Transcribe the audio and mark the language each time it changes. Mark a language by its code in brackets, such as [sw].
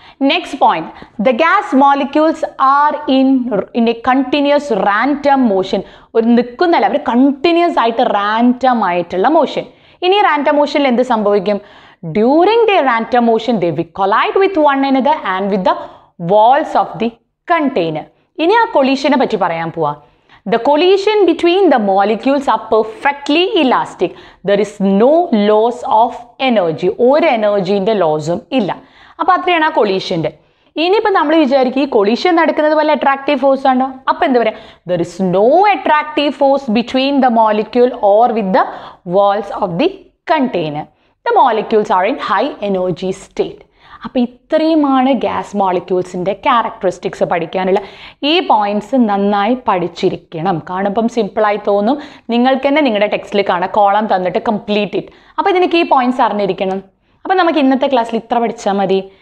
[en] Next point, the gas molecules are in a continuous random motion. [ml] ഒരു നിൽക്കുന്നല്ല, അവർ continuous ആയിട്ട് random ആയിട്ടുള്ള motion. ഇനി random മോഷനിൽ എന്ത് സംഭവിക്കും? [en] During the random motion they we collide with one another and with the walls of the container. [ml] ഇനി ആ കൊളീഷനെ പറ്റി പറയാൻ പോവാ. [en] The collision between the molecules are perfectly elastic. There is no loss of energy. [ml] ഒരു എനർജീൻ്റെ ലോസും ഇല്ല. അപ്പോൾ അത്രയാണ് ആ കൊളീഷൻ്റെ. ഇനിയിപ്പോൾ നമ്മൾ വിചാരിക്കും ഈ കൊളീഷൻ നടക്കുന്നത് വല്ല അട്രാക്റ്റീവ് ഫോഴ്സ് ആണോ? അപ്പോൾ എന്താ പറയുക? [en] There is no attractive force between the molecule or with the walls of the container. The molecules are in high energy state. [ml] അപ്പോൾ ഇത്രയുമാണ് ഗ്യാസ് മോളിക്യൂൾസിൻ്റെ ക്യാരക്ടറിസ്റ്റിക്സ് പഠിക്കാനുള്ള ഈ പോയിൻറ്റ്സ്. നന്നായി പഠിച്ചിരിക്കണം. കാണുമ്പം സിമ്പിളായി തോന്നും, നിങ്ങൾക്ക് തന്നെ നിങ്ങളുടെ ടെക്സ്റ്റിൽ കാണാൻ കോളം തന്നിട്ട് [en] Complete it. [ml] അപ്പോൾ ഇതിനൊക്കെ ഈ പോയിൻറ്റ്സ് അറിഞ്ഞിരിക്കണം. അപ്പോൾ നമുക്ക് ഇന്നത്തെ ക്ലാസ്സിൽ ഇത്ര പഠിച്ചാൽ മതി.